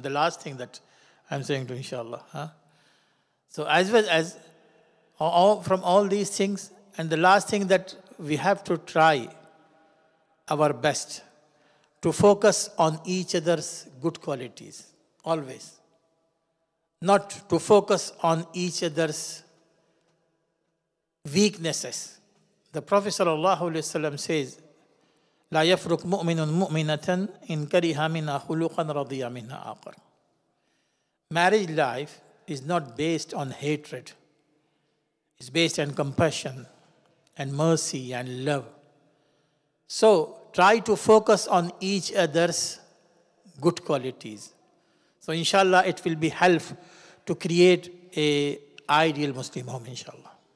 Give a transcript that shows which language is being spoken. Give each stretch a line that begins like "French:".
English: The last thing that I'm saying to inshallah, huh? So as well as all, from all these things, and the last thing that we have to try our best to focus on each other's good qualities, always. Not to focus on each other's weaknesses.
Arabic: The Prophet sallallahu alaihi wasallam says, لا يفرق مؤمن مؤمنة إن كره منها خلقا رضي منها آخر.
English: Marriage life is not based on hatred. It's based on compassion and mercy and love. So try to focus on each other's good qualities. So inshallah, it will be help to create a ideal Muslim home, inshallah.